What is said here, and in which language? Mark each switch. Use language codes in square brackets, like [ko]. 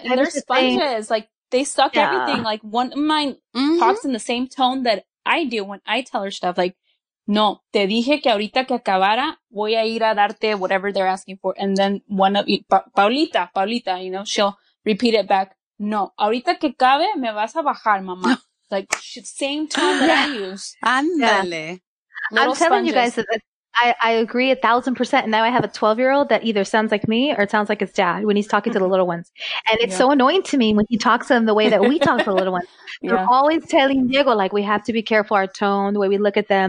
[en] They're sponges. Saying. Like, they suck yeah. everything. Like, one of mine mm-hmm. talks in the same tone that I do when I tell her stuff. Like, [es] No, te dije que ahorita que acabara, voy a ir a darte [en] whatever they're asking for. And then one of you, Paulita, you know, she'll repeat it back. [es] No, ahorita que cabe, me vas a bajar, mamá. [en] Like, same tone that I use. [es] Ándale. [en] Yeah. I'm telling you guys that I agree 1,000%. And now I have a 12-year-old that either sounds like me or sounds like his dad when he's talking to the little ones. And it's so annoying to me when he talks to them the way that we talk to the little ones. They're always telling Diego, like, we have to be careful our tone, the way we look at them.